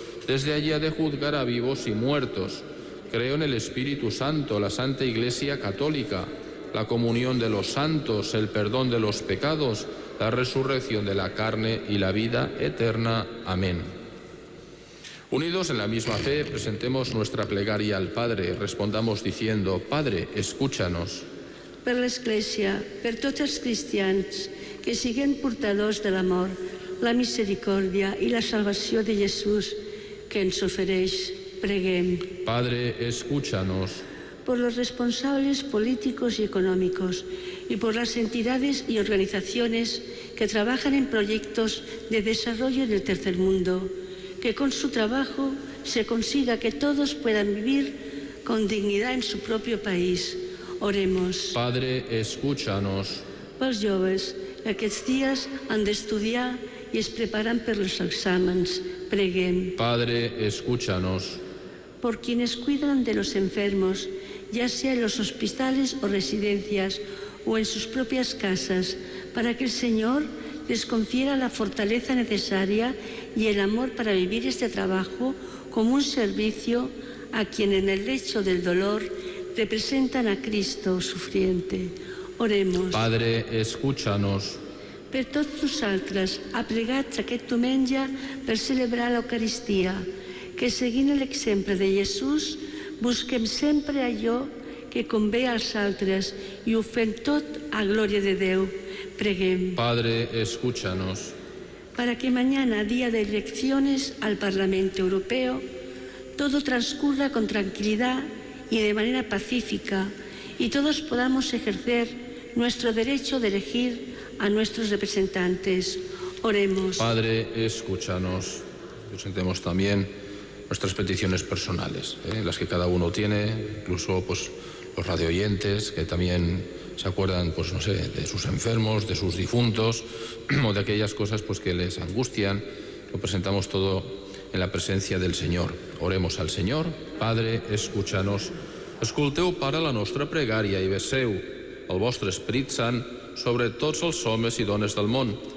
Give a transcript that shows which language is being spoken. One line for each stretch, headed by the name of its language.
Spanish: Desde allí ha de juzgar a vivos y muertos. Creo en el Espíritu Santo, la Santa Iglesia Católica, la comunión de los santos, el perdón de los pecados, la resurrección de la carne y la vida eterna. Amén. Unidos en la misma fe, presentemos nuestra plegaria al Padre. Respondamos diciendo: Padre, escúchanos.
Catalan: Per l'Església, per tots els cristians que siguen portadors de l'amor, la misericòrdia i la salvació de Jesús, que ens ofereix, preguem.
Spanish: Padre, escúchanos. Por los responsables políticos y económicos y por las entidades y organizaciones que trabajan en proyectos de desarrollo en el tercer mundo, que con su trabajo se consiga que todos puedan vivir con dignidad en su propio país. Oremos. Padre, escúchanos.
Catalan: Pels joves, aquests dies han d'estudiar i es preparen per als exàmens. Preguem.
Spanish: Padre, escúchanos. Por quienes cuidan de los enfermos, ya sea en los hospitales o residencias o en sus propias casas, para que el Señor les confiera la fortaleza necesaria y el amor para vivir este trabajo como un servicio a quien en el lecho del dolor representan a Cristo sufriente. Oremos. Padre, escúchanos.
Catalan: Per tots nosaltres, aplegats aquest diumenge per celebrar l'Eucaristia, que seguint l'exemple de Jesús, busquem sempre allò que convé als altres i ho fem tot a glòria de Déu. Preguem.
Spanish: Padre, escúchanos. Para que mañana, día de elecciones al Parlamento Europeo, todo transcurra con tranquilidad y de manera pacífica y todos podamos ejercer nuestro derecho de elegir a nuestros representantes. Oremos. Padre, escúchanos. Presentemos también nuestras peticiones personales, las que cada uno tiene, incluso pues los radioyentes que también se acuerdan, pues no sé, de sus enfermos, de sus difuntos o de aquellas cosas pues que les angustian. Lo presentamos todo en la presencia del Señor. Oremos al Señor. Padre, escúchanos.
Catalan: Escolteu para la nostra pregària i veseu el vostre Esperit Sant sobre tots els homes i dones del món.